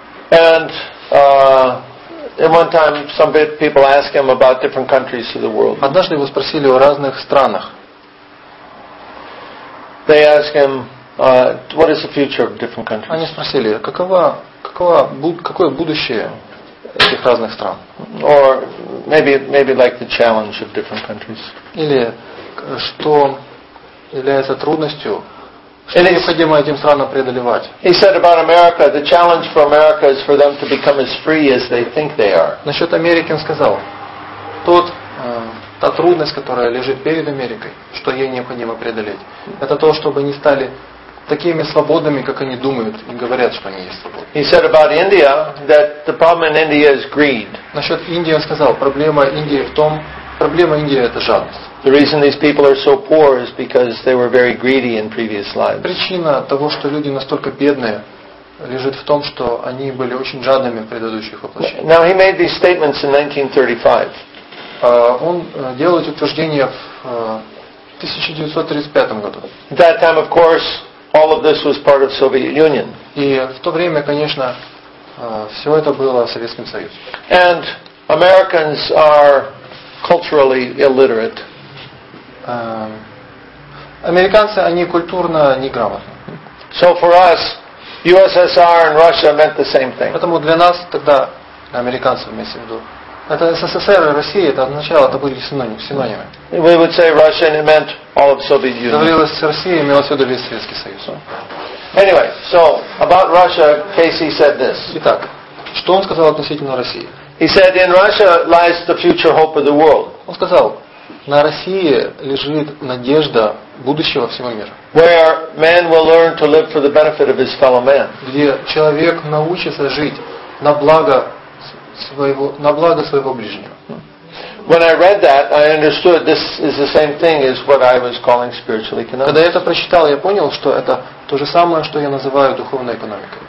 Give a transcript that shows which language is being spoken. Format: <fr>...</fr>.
<en>And at one time some people asked him about different countries of the world.</en> <ru>Однажды его спросили о разных странах.</ru> <en>They asked him what is the future of different countries.</en> <ru>Они спросили, какое будущее этих разных стран?</ru> <en>Or maybe like the challenge of different countries.</en> <ru>Или что является трудностью, что необходимо этим странам преодолевать?</ru> <en>He said about America, the challenge for America is for them to become as free as they think they are.</en> <ru>Насчет Америки он сказал, та трудность, которая лежит перед Америкой, что ей необходимо преодолеть, это то, чтобы они стали такими свободными, как они думают и говорят, что они есть свободны.</ru> <en>He said about India that the problem in India is greed.</en> <ru>Насчет Индии он сказал, проблема Индии это жадность.</ru> <en>The reason these people are so poor is because they were very greedy in previous lives.</en> <ru>Причина того, что люди настолько бедные, лежит в том, что они были очень жадными в предыдущих воплощениях.</ru> <en>Now he made these statements in 1935.</en> <ru>Он делал эти утверждения в 1935 году.</ru> <en>At that time, of course, all of this was part of Soviet Union.</en> <ru>И в то время, конечно, все это было в Советском Союзе.</ru> <en>And Americans are culturally illiterate.</en> <ru>Американцы, они культурно неграмотны.</ru> <en>So for us, USSR and Russia meant the same thing.</en> <ru>Поэтому для нас тогда, для американцев, имеется в виду, это СССР и Россия, это означало, это были синонимы.</ru> <en>We would say Russia and it meant all of Soviet Union.</en> <ru>Говорилось с Россией, имелось в виду весь Советский Союз.</ru> <en>Anyway, so about Russia, Cayce said this.</en> <ru>Итак, что он сказал относительно России?</ru> <en>He said in Russia lies the future hope of the world.</en> <ru>Он сказал, на России лежит надежда будущего всего мира.</ru> <en>Where man will learn to live for the benefit of his fellow man.</en> <ru>Где человек научится жить на благо своего ближнего.</ru> <en>When I read that, I understood this is the same thing as what I was calling spiritual economics.</en> <ru>Когда я это прочитал, я понял, что это то же самое, что я называю духовной экономикой.</ru>